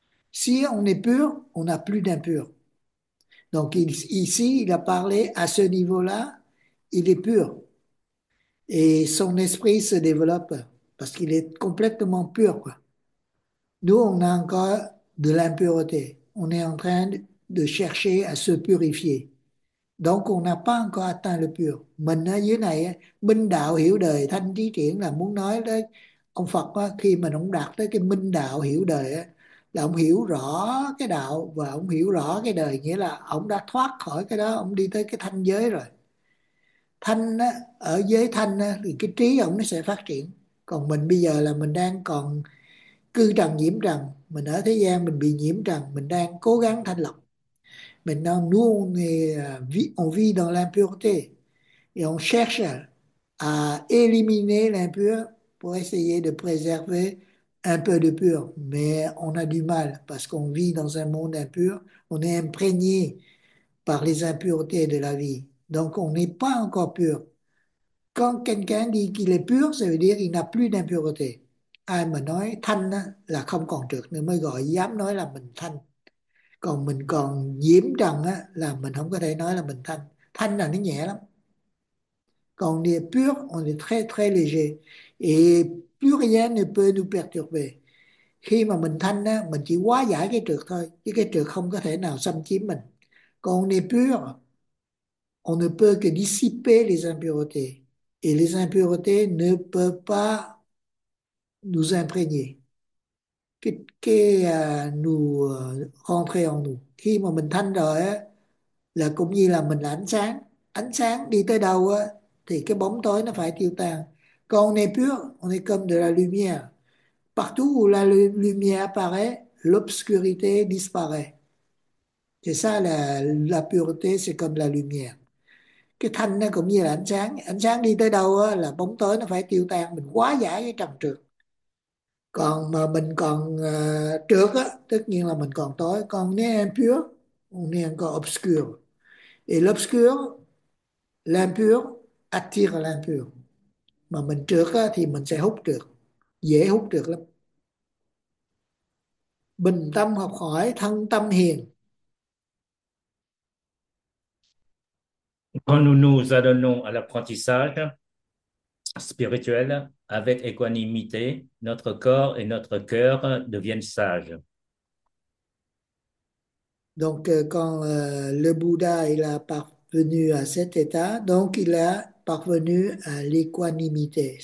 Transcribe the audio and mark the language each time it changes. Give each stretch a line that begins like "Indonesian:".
French: Si on est pur, on n'a plus d'impur. Donc ici, il a parlé à ce niveau-là, il est pur. Et son esprit se développe, parce qu'il est complètement pur, quoi. Nous, on a encore de l'impureté. On est en train de chercher à se purifier. Donc on n'a pas encore atteint le pur.
Vietnamese: Mình ở dưới này, minh đạo hiểu đời, thanh trí triển là muốn nói tới ông Phật đó, khi mình ông đạt tới cái minh đạo hiểu đời đó, là ông hiểu rõ cái đạo và ông hiểu rõ cái đời, nghĩa là ông đã thoát khỏi cái đó, ông đi tới cái thanh giới rồi. Thanh đó, ở giới thanh đó, thì cái trí ông nó sẽ phát triển. Còn mình bây giờ là mình đang còn cư trần nhiễm trần, mình ở thế gian mình bị nhiễm trần, mình đang cố gắng thanh lọc.
French: Maintenant, nous, on vit dans l'impureté et on cherche à éliminer l'impur pour essayer de préserver un peu de pur. Mais on a du mal parce qu'on vit dans un monde impur, on est imprégné par les impuretés de la vie. Donc, on n'est pas encore pur. Quand quelqu'un dit qu'il est pur, ça veut dire qu'il n'a plus d'impureté.
Vietnamese: Ai mà nói thanh là không còn trượt nữa mới gọi dám nói là mình thanh. Còn mình còn nhiễm trần á là mình không có thể nói là mình thanh. Thanh là nó nhẹ lắm. Còn
French: on est pur, on est très très léger. Et plus rien ne peut nous perturber.
Vietnamese: Khi mà mình thanh á, mình chỉ hóa giải cái trượt thôi. Chứ cái trượt không có thể nào xâm chiếm mình. Còn
French: on est pur, on ne peut que dissiper les impuretés. Et les impuretés ne peuvent pas nous imprégner. Nous rentrer en nous.
Vietnamese: Khi mà mình thanh rồi á, là cũng như là mình là ánh sáng. Ánh sáng đi tới đâu á, thì cái bóng tối nó phải tiêu tan. Còn
French: on est pur, on est comme de la lumière. Partout où la lumière apparaît, l'obscurité disparaît. C'est ça, la pureté, c'est comme la lumière.
Vietnamese: Cái thanh nó cũng như là ánh sáng. Ánh sáng đi tới đâu á, là bóng tối nó phải tiêu tan. Mình hóa giải cái trần trượt. Còn mà mình còn trước á, tất nhiên là mình còn tối, còn nên
French: impure,
Vietnamese: nên có
French: obscure. Et l'obscure, l'impure, attire l'impure.
Vietnamese: Mà mình trước á, thì mình sẽ hút trượt, dễ hút trượt lắm. Bình tâm học hỏi, thân tâm hiền.
French: Quand nous nous adonnons à l'apprentissage spirituel avec équanimité, notre corps et notre cœur deviennent sages. Donc, quand le Bouddha il a parvenu à cet état, donc il a parvenu à l'équanimité.